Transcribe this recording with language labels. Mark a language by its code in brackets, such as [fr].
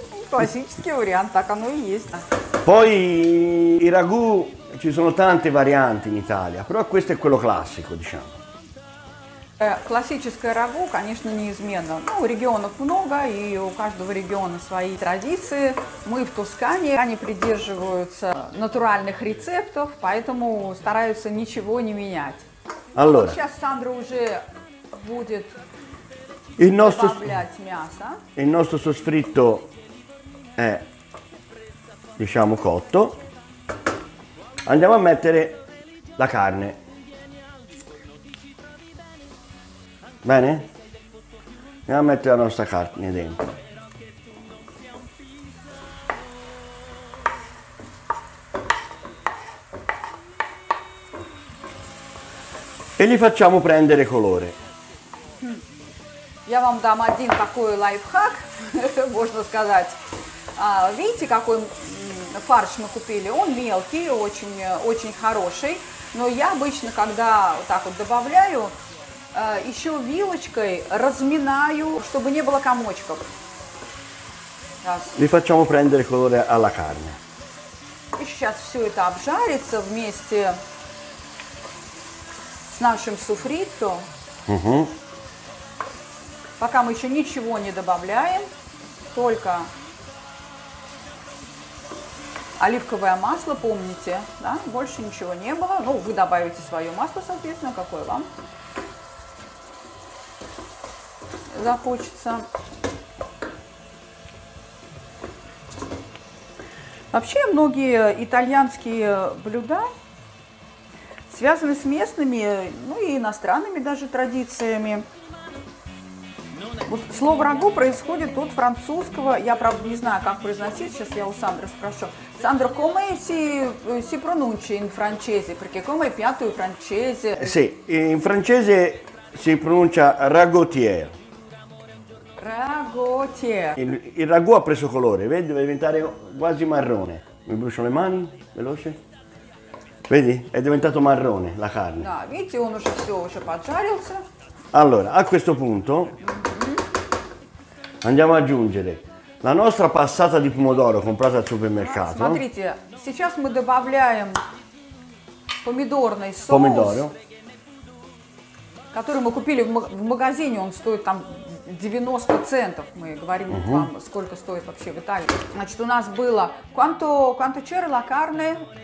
[ru] Классический вариант, так оно и есть. [it] Poi i ragù, ci sono tante varianti in Italia, però questo è quello classico, diciamo. [ru] Классическое рагу, конечно, неизменно. Ну, регионов много, и у каждого региона свои традиции. Мы в Тоскане, они придерживаются натуральных рецептов, поэтому стараются ничего не менять. [it] Allora. [ru] Вот сейчас Сандра уже будет [it] il nostro, [ru] добавлять мясо. [it] Il nostro soffritto è, diciamo, cotto. Andiamo a mettere la carne. Bene? Andiamo a mettere la nostra carne dentro. E gli facciamo prendere colore. [ru] Я вам дам один такой лайфхак, можно сказать. Видите, какой фарш мы купили? Он мелкий, очень хороший. Но я обычно, когда так вот добавляю, еще вилочкой разминаю, чтобы не было комочков. [it] Li facciamo prendere colore alla carne. [ru] И сейчас все это обжарится вместе с нашим суфритто. Угу. Пока мы еще ничего не добавляем, только оливковое масло, помните, да? Больше ничего не было. Ну, вы добавите свое масло, соответственно, какое вам захочется. Вообще, многие итальянские блюда связаны с местными, ну и иностранными даже традициями. Вот слово «рагу» происходит от французского. Я, правда, не знаю, как произносить. Сейчас я у Сандры спрошу. [it] Сандра, come si pronuncia in francese? Perché come è piatto in francese? Sì, in francese si pronuncia ragottier. Ragottier. Il ragù ha preso colore, vedi? Deve diventare quasi marrone. Mi brucio le mani, veloce. Vedi? È diventato marrone la carne. [ru] Да, видите, он уже все, уже поджарился. [it] Allora, a questo punto andiamo ad aggiungere la nostra passata di pomodoro comprata al supermercato. [ru] Смотрите, сейчас мы добавляем помидорный соус. Помидоро. Который мы купили в магазине, он стоит там 90 центов. Мы говорим вам, сколько стоит вообще в Италии. Значит, у нас было [it] quanto c'era la carne?